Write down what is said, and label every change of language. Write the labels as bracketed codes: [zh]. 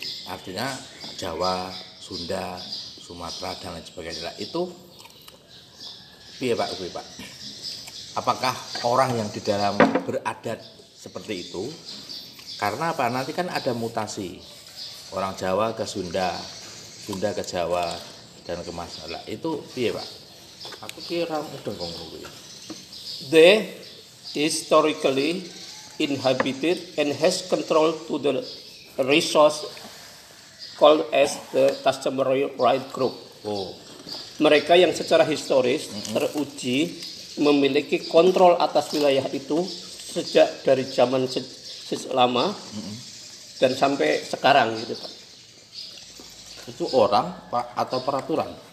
[id] Artinya Jawa, Sunda, Sumatera dan lain sebagainya itu, piye pak? Apakah orang yang di dalam beradat seperti itu? Karena apa? Nanti kan ada mutasi. Orang Jawa ke Sunda, Sunda ke Jawa dan ke Masala. Itu piye, Pak? [jv] Aku kira mudeng kok ngono. [en] They historically inhabited and has control to the resource called as the customary right group. Oh. [id] Mereka yang secara historis teruji memiliki kontrol atas wilayah itu sejak dari zaman lama dan sampai sekarang gitu, Pak. Itu orang Pak atau peraturan?